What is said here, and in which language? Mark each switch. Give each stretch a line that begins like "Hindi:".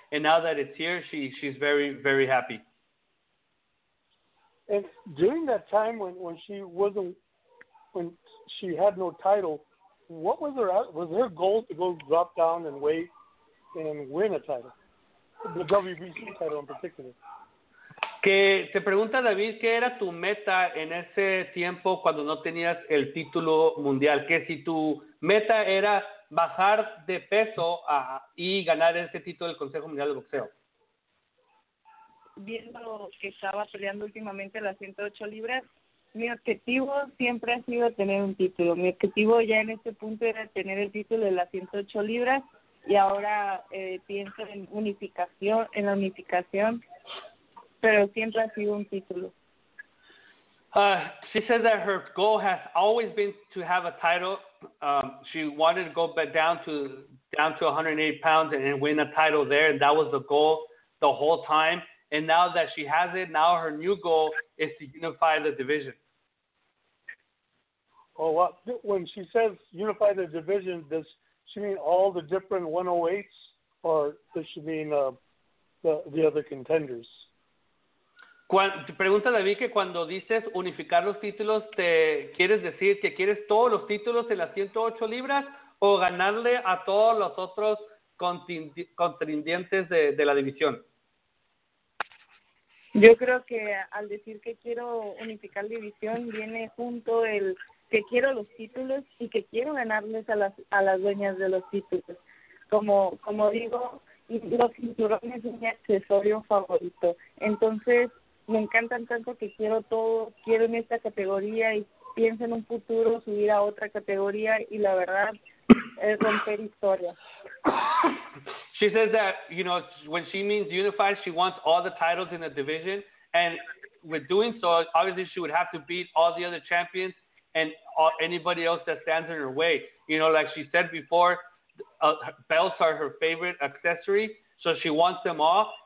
English: And now that it's here, she's very, very happy. And during that time when she had no title, what was her goal to go drop down and wait and win a title, the WBC title in particular?
Spanish: Que te pregunta David, ¿qué era tu meta en ese tiempo cuando no tenías el título mundial? Que si tu meta era bajar de peso y ganar ese título del Consejo Mundial de Boxeo. Viendo que estaba peleando últimamente las 108 libras, mi objetivo siempre ha sido tener un título. Mi objetivo ya en este punto era tener el título de las 108 libras y ahora pienso en unificación, en la unificación. Pero siempre ha sido un título.
English: She says that her goal has always been to have a title. She wanted to go back down to 108 pounds and win a title there. And that was the goal the whole time. And now that she has it, now her new goal is to unify the division. Oh, well, when she says unify the division, does she mean all the different 108s? Or does she mean the other contenders?
Spanish: Pregunta David que cuando dices unificar los títulos, ¿te quieres decir que quieres todos los títulos en las 108 libras o ganarle a todos los otros contendientes de la división? Yo creo que al decir que quiero unificar división viene junto el que quiero los títulos y que quiero ganarles a las dueñas de los títulos. Como digo, los cinturones es mi accesorio favorito. Entonces, me encantan tanto que quiero todo, quiero en esta categoría piensa en un futuro subir a otra categoría y la verdad es romper historia.
English: She says that, you know, when she means unified, she wants all the titles in the division, and with doing so, obviously she would have to beat all the other champions and all, anybody else that stands in her way. You know, like she said before, belts are her favorite accessory, so she wants them all.